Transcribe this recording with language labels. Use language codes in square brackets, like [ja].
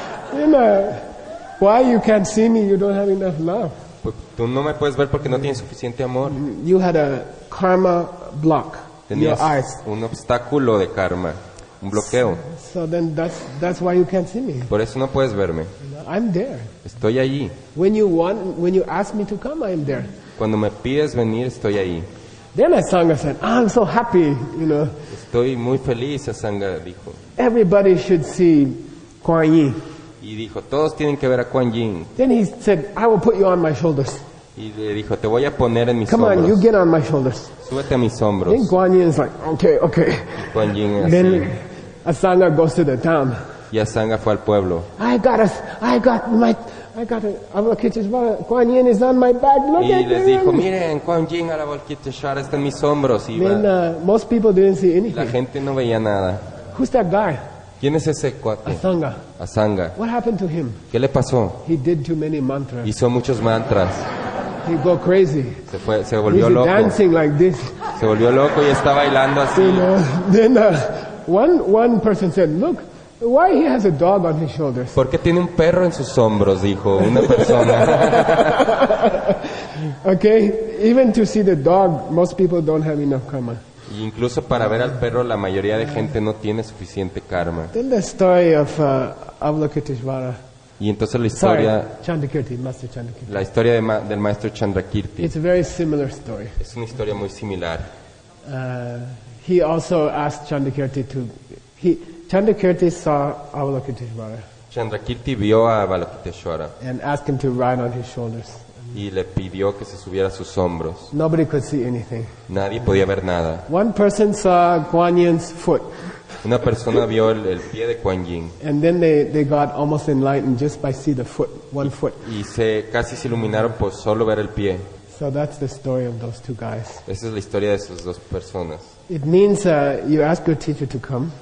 [en] Then, why you can't see me? You don't have enough love. [es] Tú no me puedes ver porque no tienes suficiente amor. [en] You had a karma block. [es] Tenías [en] your eyes. [es] Un obstáculo de karma, un bloqueo. [en] So then that's why you can't see me. [es] Por eso no puedes verme. [en] I'm there. [es] Estoy allí. [en] When you ask me to come, I'm there. [es] Cuando me pides venir, estoy allí. [en] Then Asanga said, oh, "I'm so happy, you know." [es] Estoy muy feliz, Asanga dijo. [en] Everybody should see Kuan Yin. [es] Y dijo, todos tienen que ver a Kuan Yin. [en] Then he said, "I will put you on my shoulders." [es] Y le dijo, te voy a poner en mis [en] come [es] hombros. [en] Come on, you get on my shoulders. [es] Súbete a mis hombros. [en] Then Kuan Yin is like, "Okay, okay." [es] Kuan Yin así. [en] Then Asanga goes to the town. [es] Y Asanga fue al pueblo. [en] Kuan Yin is on my back. Look [es] y [en] at [es] les dijo, miren, Kuan Yin a la Avalokiteshvara está en mis hombros. Y [en] then, most people didn't see anything. [es] La gente no veía nada. [en] Who's that guy? [es] ¿Quién es ese cuate? [en] Asanga. [es] Asanga. [en] What happened to him? [es] ¿Qué le pasó? [en] He did too many mantras. [es] Hizo muchos mantras. [en] He go crazy. [es] Se volvió [en] he's [es] loco. [en] Dancing like this. [es] Se volvió loco y está bailando así. [en] Then, one person said, look. Why he has a dog on his shoulders? [es] ¿Por qué tiene un perro en sus hombros? Dijo una persona. [en] Okay, even to see the dog, most people don't have enough karma. [es] Y incluso para ver al perro, la mayoría de gente no tiene suficiente karma. [en] Then the story of Avalokiteshvara. [es] Y entonces la historia. [en] Sorry, Chandrakirti, Master Chandrakirti. [es] La historia del maestro Chandrakirti. [en] It's a very similar story. [es] Es una historia muy similar. [en] He also asked Chandrakirti to Chandrakirti saw Avalokiteshvara. [es] Chandrakirti vio a Avalokiteshvara. [en] And asked him to ride on his shoulders. [es] Y le pidió que se subiera a sus hombros. [en] Nobody could see anything. [es] Nadie podía ver nada. [en] One person saw Kuan Yin's foot. [es] Una persona vio el pie de Kuan Yin. [en] And then they got almost enlightened just by seeing the foot, one foot. [es] Y se casi se iluminaron por solo ver el pie. [en] So that's the story of those two guys. [es] Esa es la historia de esas dos personas. [en] It means you ask your teacher to come.